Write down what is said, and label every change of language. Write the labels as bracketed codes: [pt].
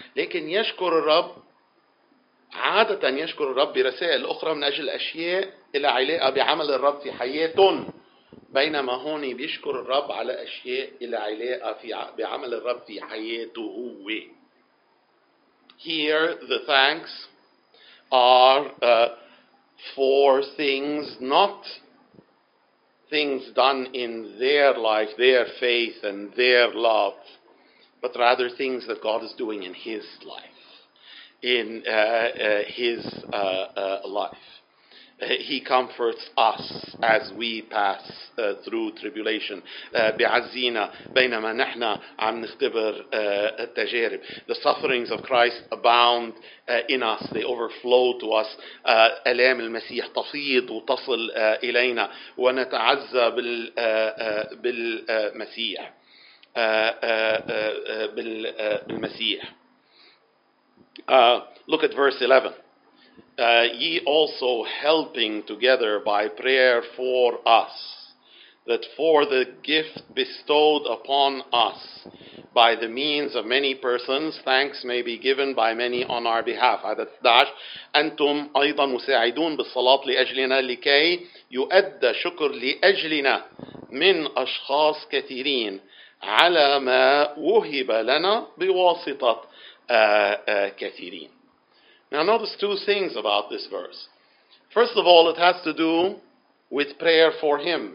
[ar] لكن يشكر الرب عادة يشكر الرب برسائل أخرى من أجل أشياء إلى علاقة بعمل الرب في حياتهم. بينما هون بيشكر الرب على أشياء إلى علاقة بعمل الرب في حياته هو. [en] Here the thanks are for things, not things done in their life, their faith and their love, but rather things that God is doing in his life, in his life. He comforts us as we pass through tribulation. [ar] بعزينا بينما نحن عم نختبر التجارب. [en] The sufferings of Christ abound in us. They overflow to us. [ar] ألام المسيح تفيض وتصل إلينا ونتعزى بالمسيح. [en] Look at verse 11. Ye also helping together by prayer for us, that for the gift bestowed upon us by the means of many persons, thanks may be given by many on our behalf. [ar] عدد 11. أنتم أيضا مساعدون بالصلاة لأجلنا لكي يؤدى شكر لأجلنا من أشخاص كثيرين على ما وهب لنا بواسطة كثيرين. [en] Now notice two things about this verse. First of all, it has to do with prayer for him.